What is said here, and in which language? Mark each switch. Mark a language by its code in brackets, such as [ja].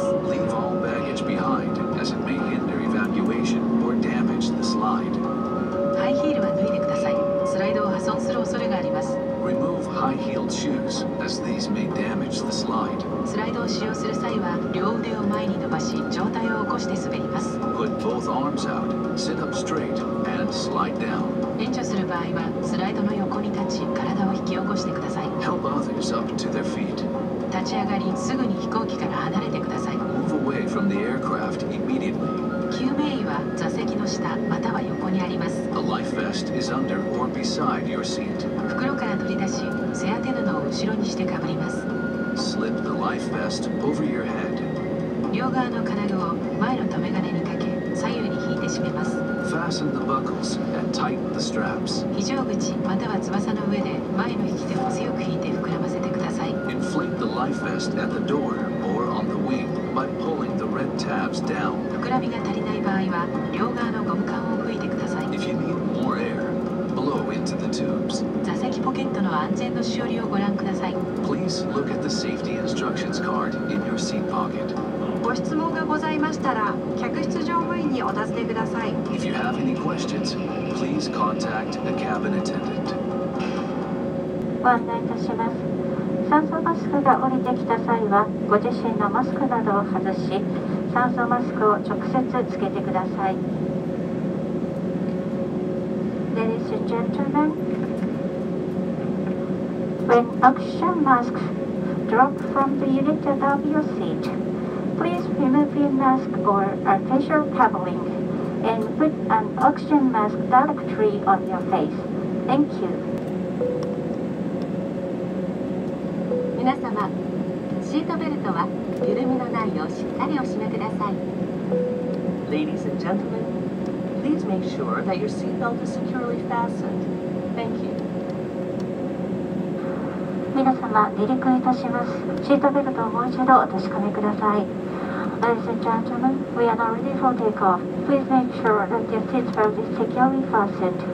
[en] Leave all baggage behind, as it may hinder evacuation or damage the slide. [ja] ハイヒールは脱いでください。スライドを破損する恐れがあります。 [en] Remove high-heeled shoes, as these may damage the slide. [ja] スライドを使用する際は、両腕を前に伸ばし、上体を起こして滑ります。 [en] Put both arms out, sit up straight, and slide down. [ja] 援助する場合は、スライドの横に立ち、体を引き起こしてください。 [en] Help others up to their feet. [ja] 立ち上がり、すぐに飛行機から離れてください。 [en] Move away from the aircraft immediately. [ja] 救命衣は座席の下または横にあります。 [en] A life vest is under or beside your seat. [ja] 袋から取り出し、背当て布を後ろにしてかぶります。 [en] Slip the life vest over your head. [ja] 両側の金具を前の留め金にかけ、左右に引いて締めます。 [en] Fasten the buckles and tighten the straps. [ja] 非常口または翼の上で前の引き手を強く引いて膨らませてください。 [en] Inflate the life vest at the door or on the wing. By pulling the red tabs down. [ja] 膨らみが足りない場合は、両側のゴム管を吹いてください。 [en] If you need more air, blow into the tubes. [ja] 座席ポケットの安全のしおりをご覧ください。 [en] Please look at the safety instructions card in your seat pocket. [ja] ご質問がございましたら、客室乗務員にお尋ねください。 [en] If you have any questions, please contact a cabin attendant. [ja] ご案内いたします。酸素マスクが降りてきた際は、ご自身のマスクなどを外し、酸素マスクを直接つけてください。 [en] Ladies and gentlemen, when oxygen masks drop from the unit above your seat, please remove your mask or artificial covering and put an oxygen mask directly on your face. Thank you. [ja] 皆様、シートベルトは緩みのないようしっかりお締めください。 [en] Ladies and gentlemen, please make sure that your seatbelt is securely fastened. Thank you. [ja] 皆様、離陸いたします。シートベルトをもう一度お確かめください。 [en] Ladies and gentlemen, we are now ready for takeoff. Please make sure that your seatbelt is securely fastened.